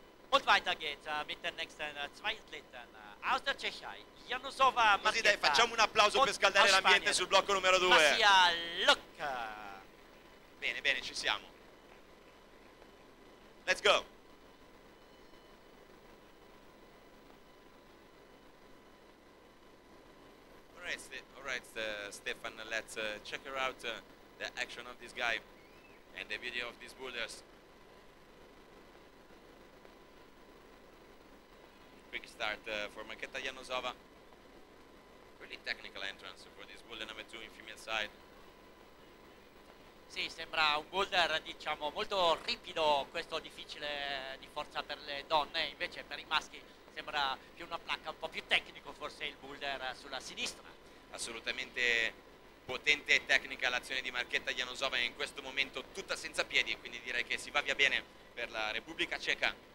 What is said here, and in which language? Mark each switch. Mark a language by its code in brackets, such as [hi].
[de] Und weiter geht's mit den nächsten zwei Athleten aus der Tschechei. Janosova, [it] così dai, facciamo un applauso per scaldare l'ambiente sul blocco numero 2. Masia Lovett. Bene, bene, ci siamo. [en] Let's go. All right, Stefan, let's check her out the action of this guy and the video of these boulders. Quick start for Marketa Janosova. Really technical entrance for this boulder number two in female side. [it] Sì, sembra un boulder, diciamo, molto ripido, questo difficile di forza per le donne, invece per i maschi sembra più una placca, un po' più tecnico forse il boulder sulla sinistra. Assolutamente potente e tecnica l'azione di Marketa Janosova in questo momento tutta senza piedi, quindi direi che si va via bene per la Repubblica Ceca.